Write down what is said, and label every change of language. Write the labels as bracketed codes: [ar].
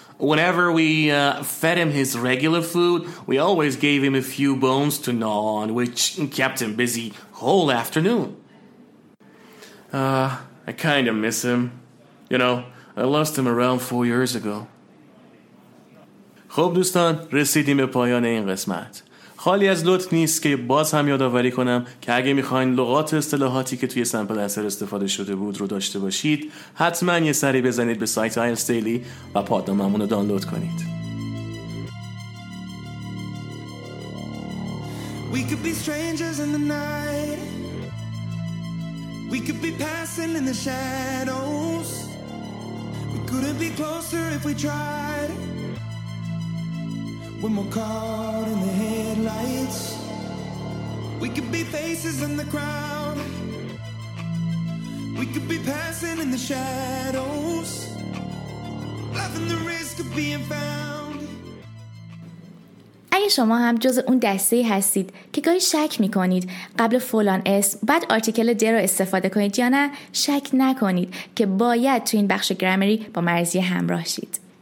[en] Whenever we fed him his regular food, we always gave him a few bones to gnaw on, which kept him busy whole afternoon. I kind of miss him. You know, I lost him around 4 years ago. [fa] خب دوستان، رسیدیم به پایان این قسمت. خالی از لطف نیست که باز هم یادآوری کنم که اگه میخواین لغات اصطلاحاتی که توی سمپل انسر استفاده شده بود رو داشته باشید، حتما یه سری بزنید به سایت IELTS Daily و پادنامه‌مون رو دانلود کنید. [en] We could be strangers in the night. We could be passing in the shadows. We couldn't be closer if we tried. When we're caught in the headlights, we could be faces in the crowd. We could be passing in the shadows, laughing the risk of being found. [fa] اگه شما هم جز اون دسته هستید که گاهی شک میکنید قبل فلان اسم بعد آرتیکل د رو استفاده کنید یا نه، شک نکنید که باید تو این بخش گرامری با مرزی همراه شید.